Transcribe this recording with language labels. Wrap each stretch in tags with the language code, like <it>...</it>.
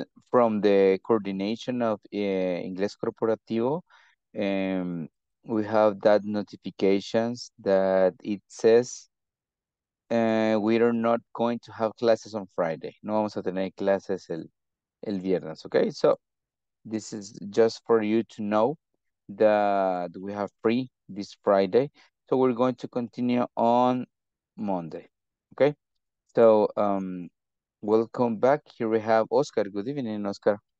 <en>from the coordination of Ingles Corporativo, we have that notifications that it says we are not going to have classes on Friday.</en> <es>No vamos a tener clases el viernes, okay?</es> <en>So this is just for you to know that we have free this Friday. So we're going to continue on Monday. Okay, so welcome back. Here we have Oscar. Good evening, Oscar.</en>